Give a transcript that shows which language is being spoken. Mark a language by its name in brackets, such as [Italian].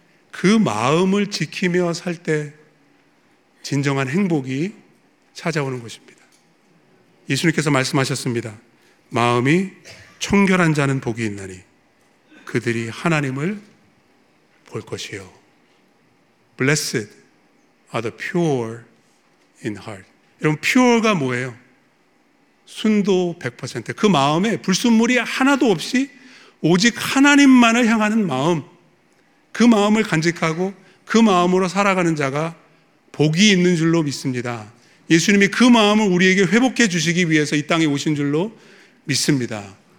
[Korean] 그 마음을 지키며 살 때 진정한 행복이 찾아오는 것입니다. 예수님께서 말씀하셨습니다. 마음이 청결한 자는 복이 있나니 그들이 하나님을 볼 것이요. [English] Blessed are the pure in heart. [Korean] 여러분, pure가 뭐예요? 순도 100%. 그 마음에 불순물이 하나도 없이 오직 하나님만을 향하는 마음. 그 마음을 간직하고 그 마음으로 살아가는 자가 복이 있는 줄로 믿습니다. 예수님이 그 마음을 우리에게 회복해 주시기 위해서 이 땅에 오신 줄로 믿습니다.